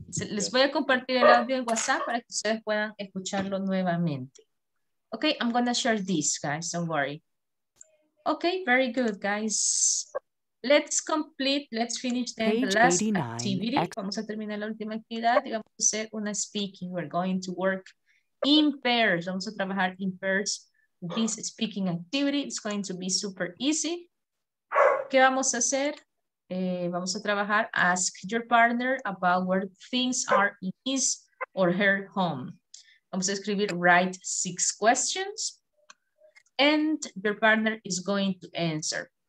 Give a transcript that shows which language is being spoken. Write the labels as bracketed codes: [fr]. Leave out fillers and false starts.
[es] Les voy a compartir el audio en WhatsApp para que ustedes puedan escucharlo nuevamente. [en] Okay, I'm gonna share this, guys, don't worry. Okay, very good, guys. Let's finish the last activity. [es] Vamos a terminar la última actividad y vamos a hacer una speaking. [en] We're going to work in pairs. [es] Vamos a trabajar [en] in pairs. This speaking activity is going to be super easy. [es] ¿Qué vamos a hacer? Vamos a trabajar, [en] ask your partner about where things are in his or her home. [es] Vamos a escribir, [en] write 6 questions. And your partner is going to answer.